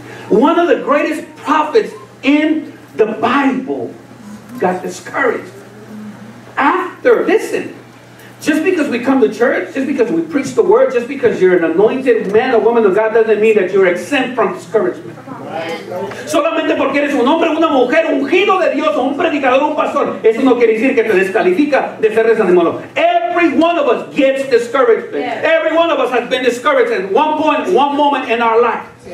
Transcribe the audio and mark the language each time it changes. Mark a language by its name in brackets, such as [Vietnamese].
[English] One of the greatest prophets in the Bible got discouraged. After, listen, just because we come to church, just because we preach the word, just because you're an anointed man or woman of God doesn't mean that you're exempt from discouragement. [Spanish] Solamente porque eres un hombre, una mujer, ungido de Dios, un predicador, un pastor, eso no quiere decir que te descalifica de ser desanimado. [English] Every one of us gets discouraged. Every one of us has been discouraged at one point, one moment in our life.